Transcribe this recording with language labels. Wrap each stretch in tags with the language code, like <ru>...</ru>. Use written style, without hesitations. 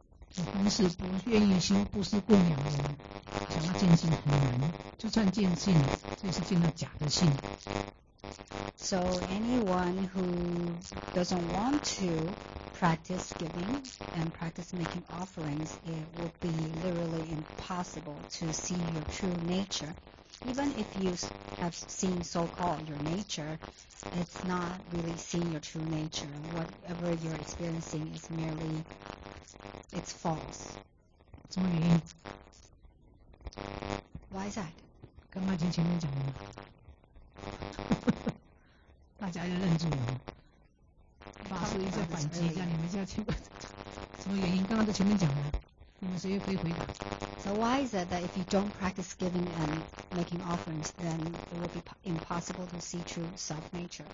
<zh>凡是不愿意修布施供养的人，想要见性很难，就算见性，这是见到假的性。</zh> <en>So anyone who doesn't want to practice giving and practice making offerings, it would be literally impossible to see your true nature. Even if you have seen so-called your nature, it's not really seeing your true nature. Whatever you're experiencing is merely, it's false.</en> <zh>什么原因？</zh> <en>Why is that?</en> <zh>刚刚听前面讲的。大家就认住了，发出一些反击，叫你们下去。什么原因？刚刚在前面讲了，你们谁也可以回答。</zh> <en>So why is it that if you don't practice giving and making offerings, then it will be impossible to see true self nature?</en>